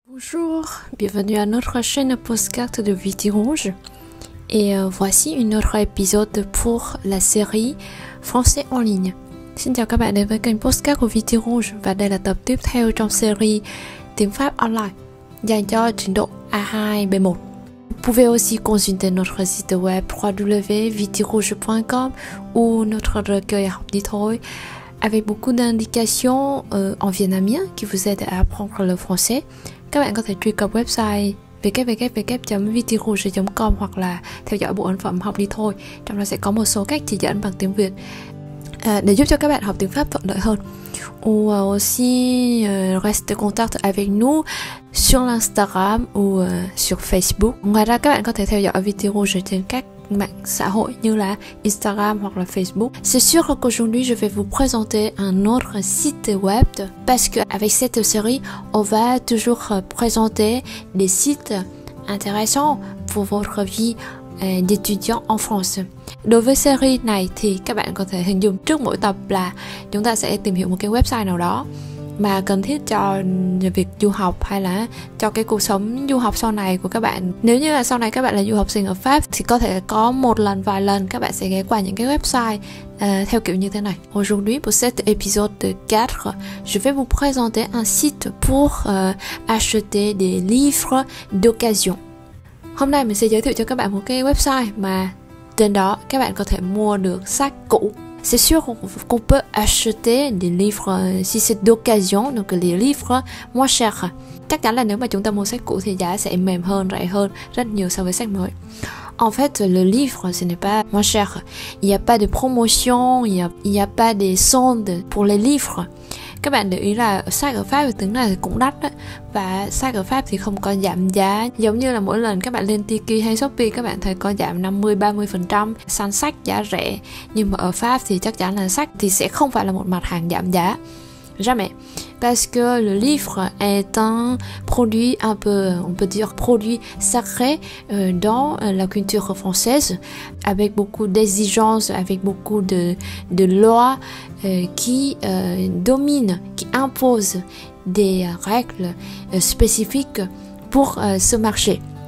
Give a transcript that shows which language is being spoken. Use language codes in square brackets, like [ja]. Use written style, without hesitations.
[fr] Bonjour, bienvenue à notre chaîne Postcard de Viti Rouge. Et voici un autre épisode pour la série Français en ligne. [vi] Xin chào các bạn đến với kênh Postcard của Viti Rouge và đây là tập tiếp theo trong série tiếng Pháp online dành cho trình độ A2 B1. [fr] Vous pouvez aussi consulter notre site web www.vitirouge.com ou notre recueil auditoire avec beaucoup d'indications en vietnamien qui vous aident à apprendre le français. [vi] Các bạn có thể truy cập website www.vitirouge.com hoặc là theo dõi bộ ấn phẩm học đi thôi. Trong đó sẽ có một số cách chỉ dẫn bằng tiếng Việt để giúp cho các bạn học tiếng Pháp thuận lợi hơn. [fr] Ou aussi, reste contact avec nous sur Instagram ou sur Facebook. [vi] Ngoài ra, các bạn có thể theo dõi Vitirouge trên các mạng xã hội như là Instagram hoặc là Facebook. [fr] C'est sûr qu'aujourd'hui, je vais vous présenter un autre site web parce qu'avec cette série, on va toujours présenter des sites intéressants pour votre vie d'étudiant en France. [vi] Đối với série này thì các bạn có thể hình dung trước mỗi tập là chúng ta sẽ tìm hiểu một cái website nào đó mà cần thiết cho việc du học hay là cho cái cuộc sống du học sau này của các bạn. Nếu như là sau này các bạn là du học sinh ở Pháp thì có thể có một lần vài lần các bạn sẽ ghé qua những cái website theo kiểu như thế này. [fr] Aujourd'hui pour cet épisode 4, je vais vous présenter un site pour acheter des livres d'occasion. [vi] Hôm nay mình sẽ giới thiệu cho các bạn một cái website mà trên đó các bạn có thể mua được sách cũ. [fr] C'est sûr qu'on peut acheter des livres si c'est d'occasion, donc les livres moins chers. [vi] Chắc chắn là nếu mà chúng ta mua sách cũ thì giá sẽ mềm hơn, rẻ hơn rất nhiều so với sách mới. [fr] En fait, le livre, ce n'est pas moins cher. Il n'y a pas de promotion, il n'y a pas de solde pour les livres. [vi] Các bạn để ý là sách ở Pháp tiếng này cũng đắt đó. Và sách ở Pháp thì không có giảm giá. Giống như là mỗi lần các bạn lên Tiki hay Shopee các bạn thấy có giảm 50-30% sang sách giá rẻ. Nhưng mà ở Pháp thì chắc chắn là sách thì sẽ không phải là một mặt hàng giảm giá. [fr] Jamais. Parce que le livre est un produit un peu, on peut dire, produit sacré dans la culture française, avec beaucoup d'exigences, avec beaucoup de lois qui dominent, qui imposent des règles spécifiques pour ce marché.